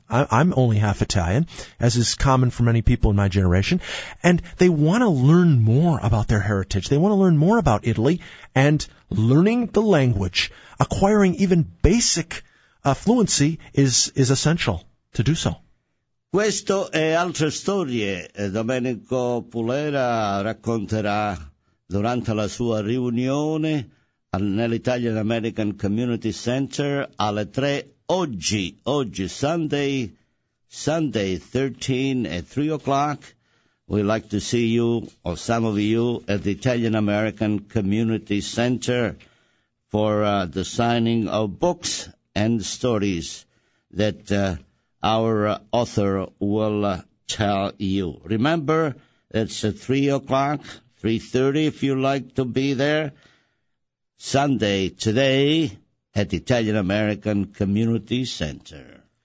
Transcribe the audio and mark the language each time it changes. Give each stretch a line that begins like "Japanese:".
English: I'm only half Italian, as is common for many people in my generation. And they want to learn more about their heritage. They want to learn more about Italy. And learning the language, acquiring even basic fluency, is essential to do so.
Italian: Questo e altre storie Domenico Pulera racconterà durante la sua riunione nell'Italian American Community Center alle 3 oggi,
English: Sunday 13 at 3 o'clock. We'd like to see you or some of you at the Italian American Community Center for the signing of books and stories that our author will tell you. Remember, it's at 3 o'clock. 3:30, if you like to be there, Sunday, today, at the Italian American Community Center.